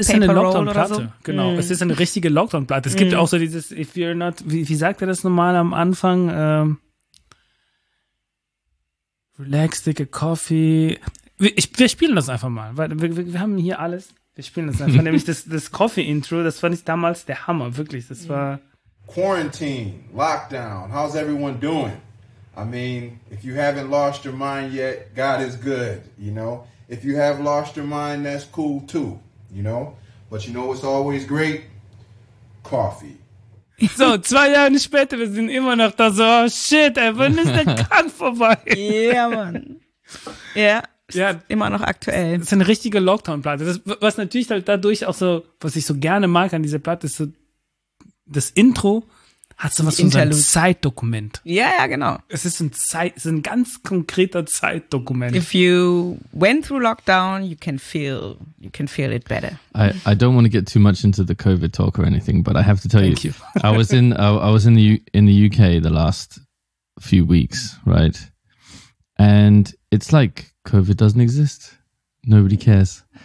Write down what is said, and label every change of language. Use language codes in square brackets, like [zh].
[de] Es ist eine Lockdown-Platte, genau. Es ist eine richtige Lockdown-Platte. Es gibt auch so dieses, [en] if you're not, [de] wie sagt er das normal am Anfang? [en] Relax, take a coffee. [de] Wir spielen das einfach mal, weil wir haben hier alles. Wir spielen das einfach, nämlich das Coffee-Intro, das fand ich damals der Hammer, wirklich. Das war [en] Quarantine, Lockdown, how's everyone doing? I mean, if you haven't lost your mind yet, God is good, you know? If you have lost your mind, that's cool too, you know? But you know what's always great? Coffee. [de] So, 2 Jahre später, wir sind immer noch da, so, [en] oh shit, [de] ey, wann ist der Kampf vorbei? [en] Yeah, man. Yeah. [de] Ja, immer noch aktuell. Das ist eine richtige Lockdown-Platte. Was natürlich halt dadurch auch so, was ich so gerne mag an dieser Platte, ist so, das Intro hat so was von so einem Zeitdokument. Ja, ja, genau. Es ist ein ganz konkreter Zeitdokument. [en] If you went through lockdown, you can feel it better. I don't want to get too much into the COVID talk or anything, but I have to tell you. I was in the UK the last few weeks, right? And it's like COVID doesn't exist. Nobody cares.